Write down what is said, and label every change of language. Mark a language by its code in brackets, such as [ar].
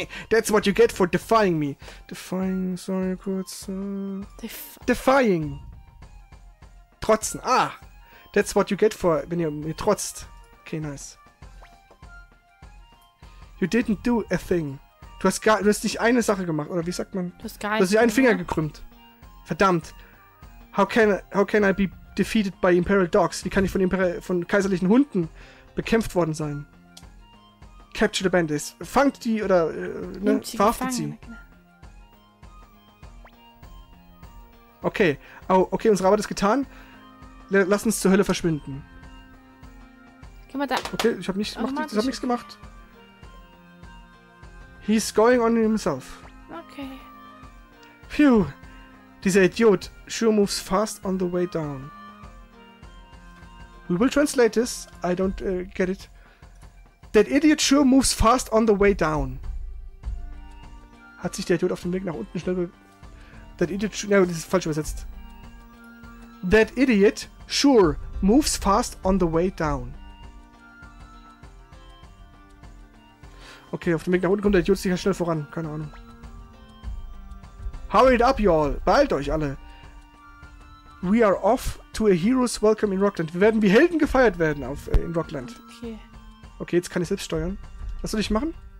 [en] That's what you get for defying me. Defying, sorry, kurz. Defying. Trotzen. Ah. That's what you get for, [de] wenn ihr mir trotzt. [en] Okay, nice. You didn't do a thing. [de] Du hast nicht eine Sache gemacht, oder wie sagt man? Du hast dich einen Finger gekrümmt. Verdammt. [en] How can I be defeated by Imperial Dogs? [de] Wie kann ich von kaiserlichen Hunden bekämpft worden sein? [en] Capture the bandits. [de] Fangt die oder ne, verhaftet sie. Okay. Oh, okay, unsere Arbeit ist getan. Lass uns zur Hölle verschwinden. Können wir da. Okay, ich hab nichts gemacht. [en] He's going on himself. Okay. Phew. [de] Dieser Idiot [en] sure moves fast on the way down. We will translate this. I don't get it. That idiot sure moves fast on the way down. [de] Hat sich der Idiot auf dem Weg nach unten schnell das ist falsch übersetzt. [en] That idiot sure moves fast on the way down. [de] Okay, auf dem Weg nach unten kommt der Idiot sicher schnell voran. Keine Ahnung. [en] Hurry it up, y'all. [de] Beeilt euch alle. [en] We are off to a hero's welcome in Rockland. [de] Wir werden wie Helden gefeiert werden in Rockland. Okay. Okay, jetzt kann ich selbst steuern. Was soll ich machen?